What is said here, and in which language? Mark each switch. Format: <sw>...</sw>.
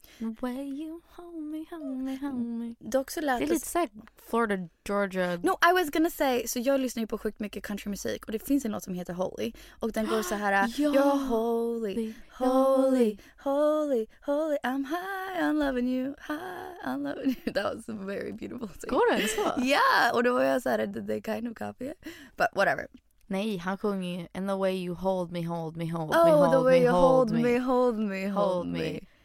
<en>Where you hold me, hold me, hold me.</en> <sv>Det är också lätt. Det är lite såhär Florida, Georgia.</sv> <en>No, I was gonna say,</en> <sv>så jag lyssnar ju på sjukt mycket countrymusik. Och det finns en låt som heter Holy. Och den går så här. Ja.</sv> <en>You're holy, holy, holy, holy. I'm high, I'm loving you, high, I'm loving you. That was a very beautiful thing.</en> <sv>Går det så? Ja, och då var jag så här,</sv> <en>did they kind of copy it? But whatever.</en> <sv>Nej, han sjunger ju</sv> <en>in the way you hold me, hold me, hold oh, me, hold me, hold me. Oh, the way you hold me, hold me, hold me.</en>